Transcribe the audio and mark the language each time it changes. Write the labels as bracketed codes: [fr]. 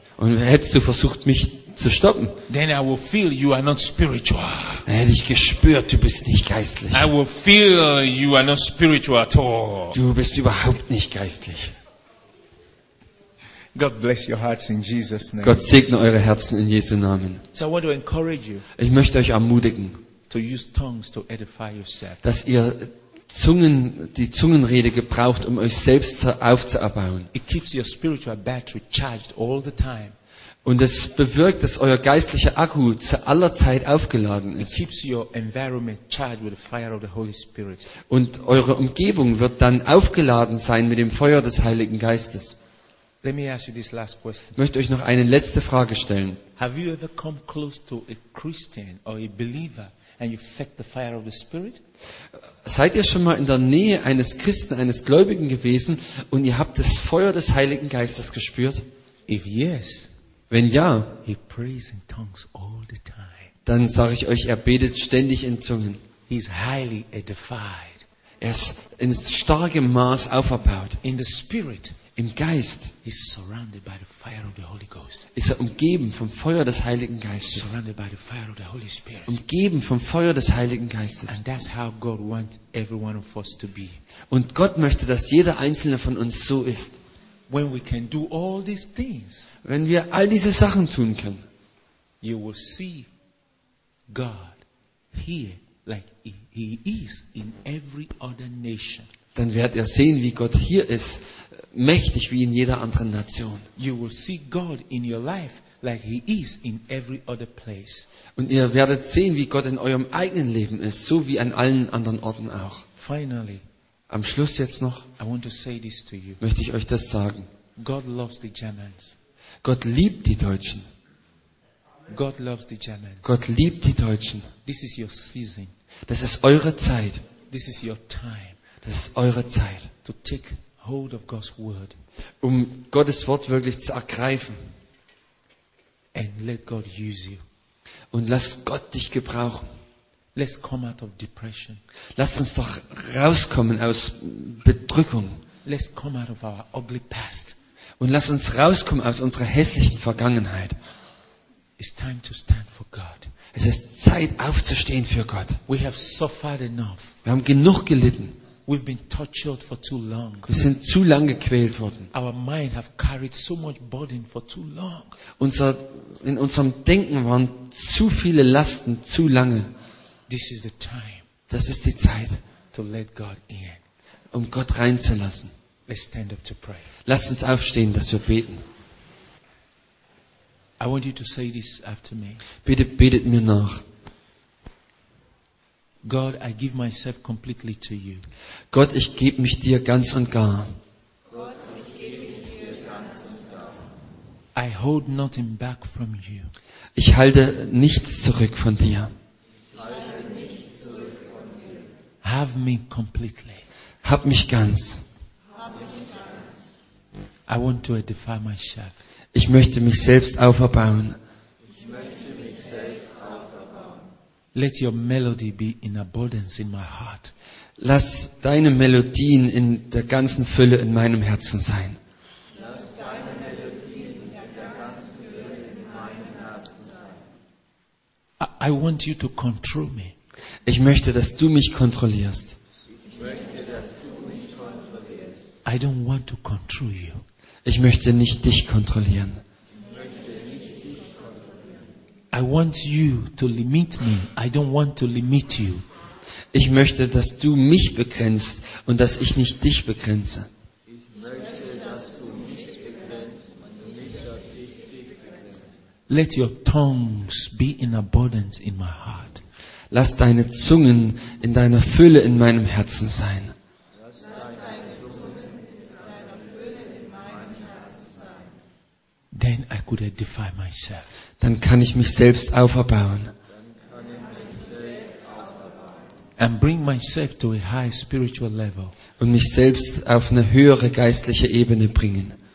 [de] und hättest du versucht, mich zu stoppen, [en] then I will feel you are not spiritual. [de] Dann hätte ich gespürt, du bist nicht geistlich. [en] I will feel you are not spiritual at all. [de] Du bist überhaupt nicht geistlich. [en] God bless your hearts in Jesus' name. [de] Gott segne eure Herzen in Jesu Namen. [en] So I want to encourage you, [de] ich möchte euch ermutigen, [en] to use tongues to edify yourself. [de] Dass ihr die Zungenrede gebraucht, um euch selbst aufzubauen. [en] It keeps your spiritual battery charged all the time. [de] Und es bewirkt, dass euer geistlicher Akku zu aller Zeit aufgeladen ist. [en] It keeps your environment charged with the fire of the Holy Spirit. [de] Und eure Umgebung wird dann aufgeladen sein mit dem Feuer des Heiligen Geistes. [en] Let me ask you this last question. [de] Möchte euch noch eine letzte Frage stellen. [en] Have you ever come close to a Christian or a believer? And you fed the fire of the Spirit? [de] Seid ihr schon mal in der Nähe eines Christen, eines Gläubigen gewesen und ihr habt das Feuer des Heiligen Geistes gespürt? [en] If yes, [de] wenn ja, [en] he prays in tongues all the time. [de] Dann sage ich euch, er betet ständig in Zungen. [en] He is highly edified. [de] Er ist in starkem Maß auferbaut. [en] In the Spirit, [de] im Geist, [en] he is surrounded by the fire of the Holy Ghost. [de] Ist er umgeben vom Feuer des Heiligen Geistes. [en] Surrounded by the fire of the Holy Spirit. [de] Umgeben vom Feuer des Heiligen Geistes. [en] And that's how God wants every one of us to be. [de] Und Gott möchte, dass jeder einzelne von uns so ist. [en] When we can do all these things, [de] wenn wir all diese Sachen tun können, [en] you will see God here like he is in every other nation. [de] Dann werdet ihr sehen, wie Gott hier ist, mächtig wie in jeder anderen Nation. [en] You will see God in your life like he is in every other place. [de] Und ihr werdet sehen, wie Gott in eurem eigenen Leben ist, so wie an allen anderen Orten auch. [en] Finally, [de] am Schluss jetzt noch, [en] I want to say this to you. [de] Möchte ich euch das sagen. [en] God loves the Germans. [de] Gott liebt die Deutschen. [en] God loves the Germans. [de] Gott liebt die Deutschen. [en] This is your season. [de] Das ist eure Zeit. [en] This is your time. [de] Das ist eure Zeit. [en] To take hold of God's word. [de] Um Gottes Wort wirklich zu ergreifen. [en] And let God use you. [de] Und lass Gott dich gebrauchen. [en] Let's come out of depression. [de] Lass uns doch rauskommen aus Bedrückung. [en] Let's come out of our ugly past. [de] Und lass uns rauskommen aus unserer hässlichen Vergangenheit. [en] It's time to stand for God. [de] Es ist Zeit aufzustehen für Gott. [en] We have suffered enough. [de] Wir haben genug gelitten. [en] We've been tortured for too long. [de] Wir sind zu lange gequält worden. [en] Our mind have carried so much burden for too long. [de] In unserem Denken waren zu viele Lasten zu lange. [en] This is the time. [de] Das ist die Zeit, [en] to let God in. [de] Um Gott reinzulassen. [en] Let's stand up to pray. [de] Lasst uns aufstehen, dass wir beten. [en] I want you to say this after me. [de] Bitte betet mir nach. [en] God, I give myself completely to you. [de] Gott, ich gebe mich dir ganz und gar. Gott, ich gebe mich dir ganz und gar. [en] I hold nothing back from you. [de] Ich halte nichts zurück von dir. [en] Have me completely. [de] Hab mich ganz. [en] I want to edify myself. [de] Ich möchte mich selbst auferbauen. Ich möchte mich selbst auferbauen. [en] Let your melody be in abundance in my heart. [de] Lass deine Melodien in der ganzen Fülle in meinem Herzen sein. Lass deine Melodien in der ganzen Fülle in meinem Herzen sein. [en] I want you to control me. [de] Ich möchte, dass du mich kontrollierst. Ich möchte, dass du mich kontrollierst. [en] I don't want to control you. [de] Ich möchte nicht dich kontrollieren. [en] I want you to limit me. I don't want to limit you. [de] Ich möchte, dass du mich begrenzt und dass ich nicht dich begrenze. [en] Let your tongues be in abundance in my heart. [de] Lass deine Zungen in deiner Fülle in meinem Herzen sein. [en] Then I could edify myself. [de] Dann kann ich mich selbst auferbauen. [en] And bring myself to a high spiritual level. [de] Und mich selbst auf eine höhere geistliche Ebene bringen.